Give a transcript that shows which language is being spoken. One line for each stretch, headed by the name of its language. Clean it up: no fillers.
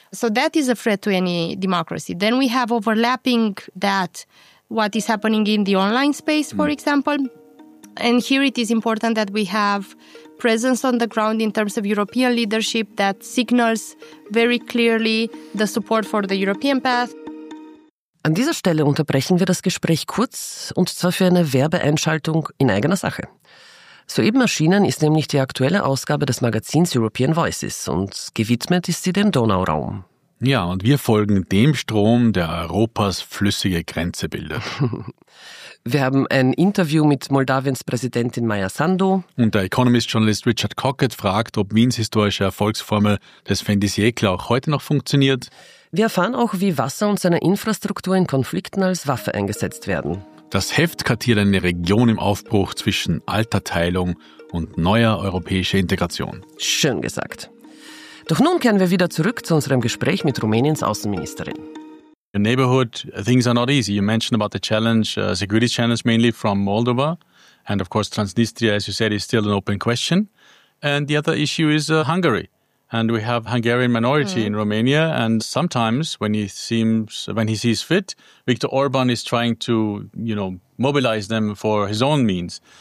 English: So that is a threat to any democracy. Then we have overlapping that, what is happening in the online space, for example. And here it is important that we have presence on the ground in terms of European leadership that signals very clearly the support for the European path.
German: An dieser Stelle unterbrechen wir das Gespräch kurz und zwar für eine Werbeeinschaltung in eigener Sache. Soeben erschienen ist nämlich die aktuelle Ausgabe des Magazins European Voices und gewidmet ist sie dem Donauraum. Ja, und wir folgen dem Strom, der Europas flüssige Grenze bildet. Wir haben ein Interview mit Moldawiens Präsidentin Maia Sandu. Und der Economist-Journalist Richard Cockett fragt, ob Wiens historische Erfolgsformel des Fendisiekla auch heute noch funktioniert. Wir erfahren auch, wie Wasser und seine Infrastruktur in Konflikten als Waffe eingesetzt werden. Das Heft kartiert eine Region im Aufbruch zwischen alter Teilung und neuer europäischer Integration. Schön gesagt. Doch nun kehren wir wieder zurück zu unserem Gespräch mit Rumäniens Außenministerin.
English: Your neighborhood, things are not easy. You mentioned about the challenge, security challenge mainly from Moldova. And of course Transnistria, as you said, is still an open question. And the other issue is Hungary. And we have Hungarian minority in Romania, and sometimes when he sees fit, Viktor Orban is trying to, you know, mobilize them for his own means.